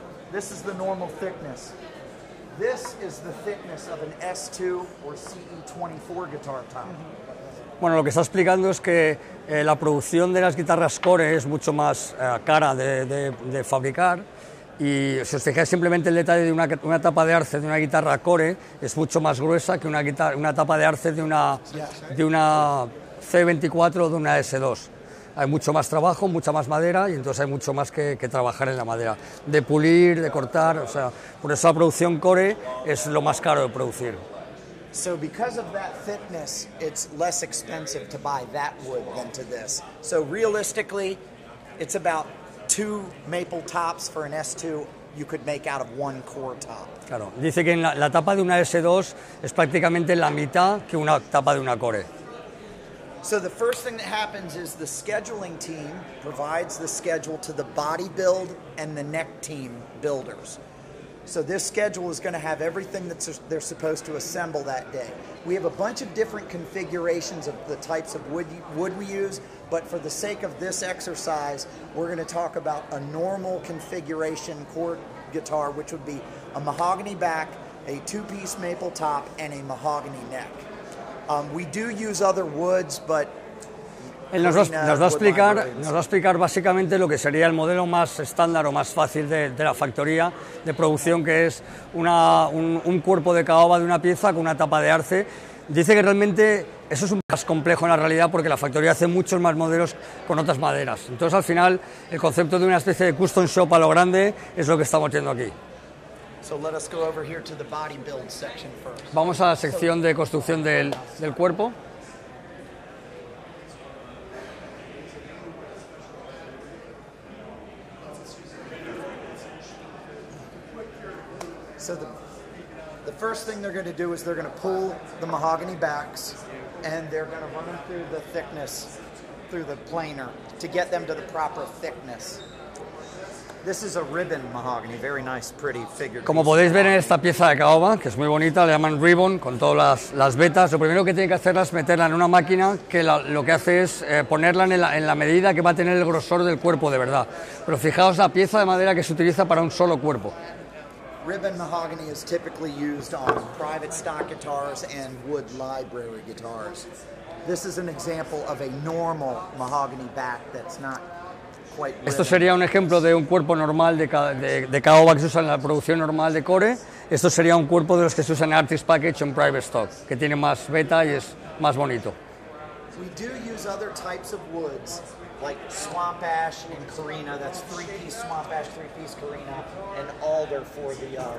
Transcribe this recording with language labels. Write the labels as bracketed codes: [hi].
[en] This is the normal thickness. This is the thickness of an S2 or CE24 guitar top. Mm-hmm. [es] Bueno, lo que está explicando es que la producción de las guitarras core es mucho más cara de fabricar. Y si os fijáis simplemente el detalle de una tapa de arce de una guitarra core es mucho más gruesa que una tapa de arce de una C24 o de una S2. Hay mucho más trabajo, mucha más madera, y entonces hay mucho más que trabajar en la madera. De pulir, de cortar, o sea, por eso la producción core es lo más caro de producir. [en] So because of that thickness, it's less expensive to buy that wood than to this. So realistically, it's about 2 maple tops for an S2 you could make out of 1 core top. [es] Claro, dice que en la tapa de una S2 es prácticamente la mitad que una tapa de una core. [en] So the first thing that happens is the scheduling team provides the schedule to the body build and the neck team builders. So this schedule is going to have everything that they're supposed to assemble that day. We have a bunch of different configurations of the types of wood we use, but for the sake of this exercise, we're going to talk about a normal configuration core guitar, which would be a mahogany back, a 2-piece maple top, and a mahogany neck. We do use other woods, but [es] nos va a explicar básicamente lo que sería el modelo más estándar o más fácil de la factoría de producción, que es un cuerpo de caoba de una pieza con una tapa de arce. Dice que realmente eso es un poco más complejo en la realidad, porque la factoría hace muchos más modelos con otras maderas. Entonces, al final, el concepto de una especie de custom shop a lo grande es lo que estamos viendo aquí. [en] So let us go over here to the body build section first. [es] Vamos a la sección de construcción del cuerpo. [en] So the first thing they're going to do is they're going to pull the mahogany backs, and they're going to run them through the thickness, through the planer, to get them to the proper thickness. This is a ribbon mahogany, very nice, pretty figure. [es] Como podéis ver en esta pieza de caoba, que es muy bonita, le llaman ribbon, con todas las vetas, lo primero que tiene que hacer es meterla en una máquina que lo que hace es ponerla en la medida que va a tener el grosor del cuerpo de verdad. Pero fijaos la pieza de madera que se utiliza para un solo cuerpo. [en] Ribbon mahogany is typically used on private stock guitars and wood library guitars. This is an example of a normal mahogany back that's not quite living. [es] Esto sería un ejemplo de un cuerpo normal de caoba que se usa en la producción normal de core. Esto sería un cuerpo de los que se usan en Artist Package o en Private Stock, que tiene más beta y es más bonito. [en] We do use other types of woods, like swamp ash and carina. That's three-piece swamp ash, three-piece carina, and alder for the...